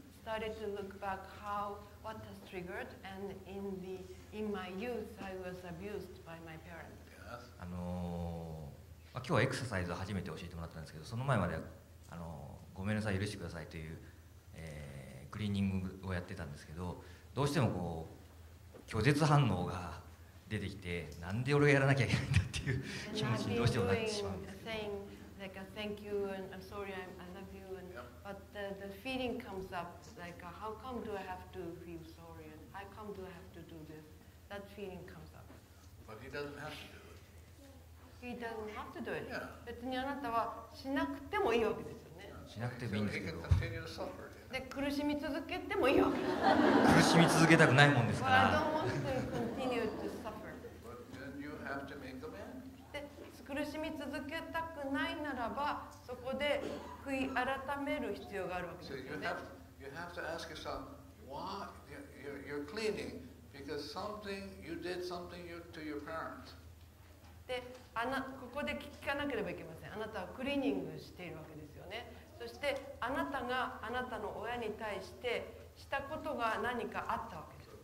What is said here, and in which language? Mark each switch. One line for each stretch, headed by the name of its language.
English: Started to look back how what has triggered and in my youth I was abused by my parents. Yes.
Japanese: あの、今日はエクササイズを初めて教えてもらったんですけど、その前まではあのごめんなさい許してくださいという、クリーニングをやってたんですけど、どうしてもこう拒絶反応が出てきて、なんで俺がやらなきゃいけないんだっていう気持ちにどうしてもなってしまうんですけど。
English: Like a thank you and I'm sorry I love you and yep. But the feeling comes up like how come do I have to feel sorry and how come do I have to do this? That feeling comes up. But he doesn't have to do it. He doesn't have to do it. Yeah.
Japanese: 別にあなたはしなくてもいいわけですよね。しなくてもいいんですけど。で苦しみ続けてもいいわけ。苦しみ続けたくないもんですから。
English: But I don't want to continue to suffer. But then you have to make amends.
Japanese: 苦しみ続けたくないならば、そこで悔い改める必要があるわけですよね。
English: You have to ask yourself, why you're cleaning? Because something, you did something to your parents.
Japanese: で、ここで聞かなければいけません。あなたはクリーニングしているわけですよね。そして、あなたがあなたの親に対してしたことが何かあったわけです。